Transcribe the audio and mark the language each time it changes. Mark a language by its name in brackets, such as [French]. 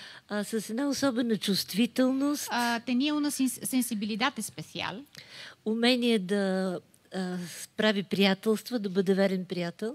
[Bulgarian] С една особена чувствителност. [Spanish] Tenía una sensibilidad especial. [Bulgarian] Умение да прави приятелства, да бъде верен приятел.